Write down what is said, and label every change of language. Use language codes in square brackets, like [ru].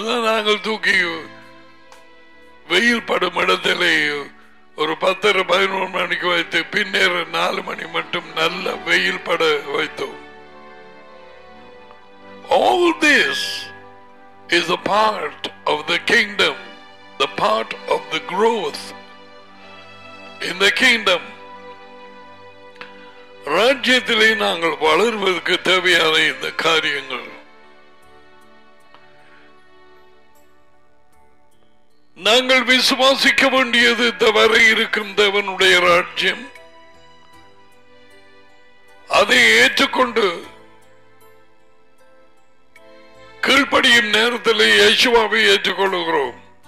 [ta] நாங்கள் தூக்கி வெயில் படும் இடத்திலே ஒரு 10:30-11 மணிக்கு வைத்து பின்னர் 4 மணி மட்டும் நல்ல வெயில் பட வைத்தோம். [en] All this is a part of the kingdom, the part of the growth in the kingdom. [ta] ராஜ்யத்திலே நாங்கள் வளர்வதற்கு தேவையான இந்த காரியங்கள். நாங்கள் விசுவாசிக்க வேண்டியது தவிர இருக்கும் தேவனுடைய ராஜ்யம் அதை ஏற்றுக்கொண்டு கீழ்படியும் நேரத்தில் யேசுவாவை ஏற்றுக்கொள்கிறோம்.